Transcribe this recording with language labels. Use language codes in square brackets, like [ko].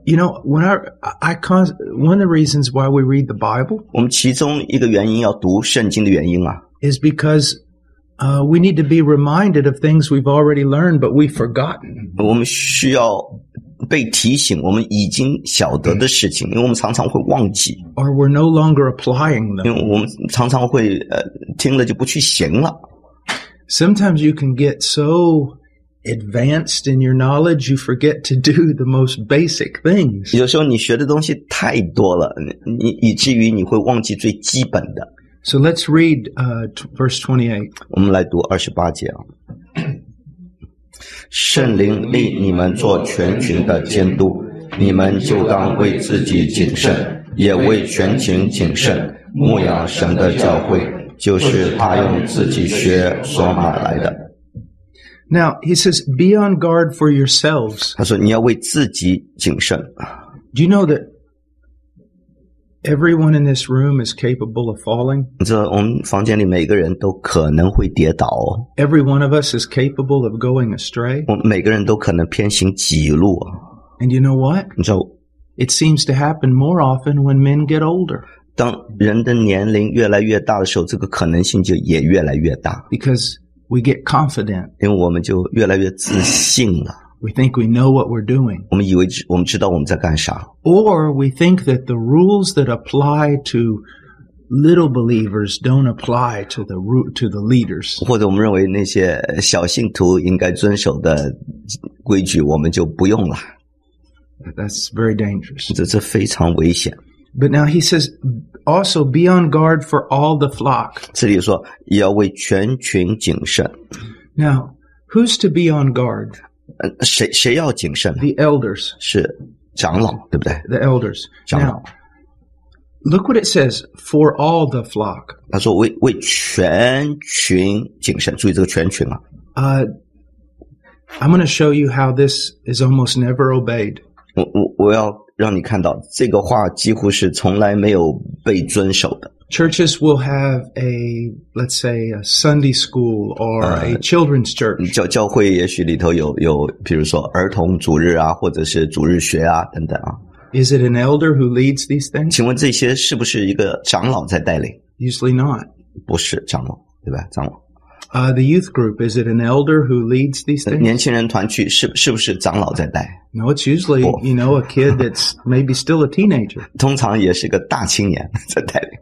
[en] You know, one of the reasons why we read the Bible, [zh] 我们其中一个原因要读圣经的原因啊 [en] is becauseWe need to be reminded of things we've already learned, but we've forgotten. [zh] 我们需要被提醒我们已经晓得的事情，因为我们常常会忘记。 [en] Or we're no longer applying them. [zh] 因为我们常常会听了就不去行了。 [en] Sometimes you can get so advanced in your knowledge, you forget to do the most basic things. [zh] 有时候你学的东西太多了，你以至于你会忘记最基本的。 [en] So let's read verse 28. [zh] 我们来读二十八节啊。圣灵立你们做全群的监督，你们就当为自己谨慎，也为全群谨慎，牧养神的教会，就是他用自己血所买来的。 [en] Now he says, "Be on guard for yourselves." [zh] 他说你要为自己谨慎。 [en] Do you know that? Everyone in this room is capable of falling. [zh] 这我们房间里每个人都可能会跌倒。 [en] Every one of us is capable of going astray. [zh] 我们每个人都可能偏行己路。 [en] And you know what? [zh] 你知道 [en] It seems to happen more often when men get older. [zh] 当人的年龄越来越大的时候，这个可能性就也越来越大。 [en] Because we get confident. [zh] 因为我们就越来越自信了。 [en] We think we know what we're doing. [zh] 我们以为我们知道我们在干啥。 [en] Or we think that the rules that apply to little believers don't apply to the leaders. [zh] 或者我们认为那些小信徒应该遵守的规矩我们就不用了。 [en] That's very dangerous. [zh] 这非常危险。 [en] But now he says, also be on guard for all the flock. [zh] 这里说也要为全群谨慎。 [en] Now, who's to be on guard? [zh] 谁要谨慎呢 [en] ？The elders [zh] 是长老，对不对 [en] ？The elders [zh] 长老。 [en] Now, look what it says for all the flock. [zh] 他说为全群谨慎，注意这个全群啊。 [en] I'm going to show you how this is almost never obeyed. [zh] 我要让你看到这个话几乎是从来没有被遵守的。 [en] Churches will have a, let's say, a Sunday school or a children's church. [zh] 教会也许里头有比如说儿童主日啊或者是主日学啊等等啊。 [en] Is it an elder who leads these things? [zh] 请问这些是不是一个长老在带领 [en] ?Usually not. [zh] 不是长老对吧长老。 [en] The youth group, is it an elder who leads these things? [zh] 年轻人团聚是不是长老在带 [en] ?No, it's usually, you know, a kid that's maybe still a teenager. [zh] 通常也是个大青年在带领。